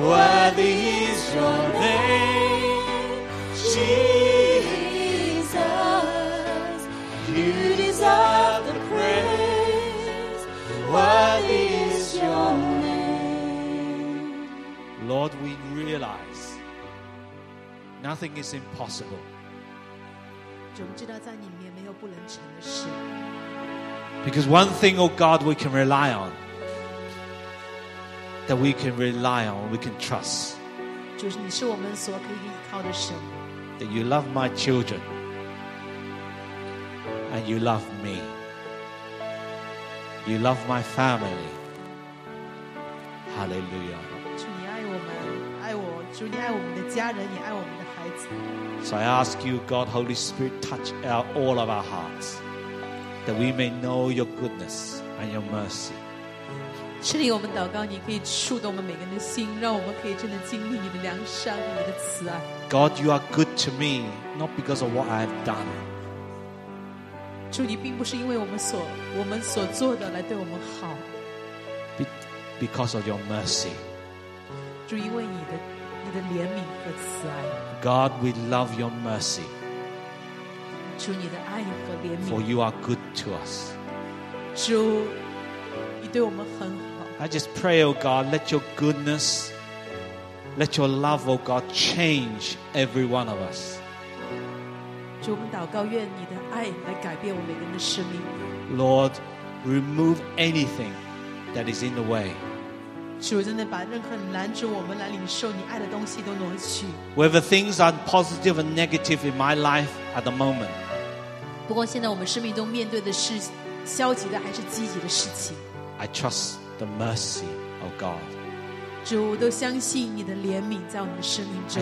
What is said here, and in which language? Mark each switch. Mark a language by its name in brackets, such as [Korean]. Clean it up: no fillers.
[English] worthy is your name, Jesus. You deserve the praise. Worthy is your name. Lord, we realize nothing is impossible. [Chinese] 主，我们知道在你里面没有不能成的事。 [English] Because one thing, oh God, we can rely on, that we can rely on, we can trust. [Chinese] 主，你是我们所可以依靠的神。 [English] That you love my children. and you love me. You love my family. Hallelujah. [Chinese] 主你爱我们，爱我，主你爱我们的家人，也爱我们的孩子。 [English] So I ask you, God, Holy Spirit, touch all of our hearts, that we may know your goodness and your mercy. [Chinese] 这里我们祷告，你可以触动我们每个人的心，让我们可以真的经历你的良善，你的慈爱。 [English] God, you are good to me, not because of what I have done. [Chinese] 主你并不是因为我们所做的来对我们好。 [English] Because of your mercy. [Chinese] 主因为你的怜悯和慈爱。 [English] God, we love your mercy. [Chinese] 主你的爱和怜悯。 [English] For you are good to us. [Chinese] 主你对我们很好。 [English] I just pray, oh God, let your goodness, let your love, oh God, change every one of us. [Chinese] 主我们祷告愿你的爱来改变我们每个人的生命。 [English] Lord, remove anything that is in the way. [Chinese] 主真的把任何拦阻我们来领受你爱的东西都挪去。 [English] Whether things are positive or negative in my life at the moment. [Chinese] 不过现在我们生命中面对的是消极的还是积极的事情。 [English] I trust the mercy of God. [Chinese] 主我都相信你的怜悯在我们的生命中。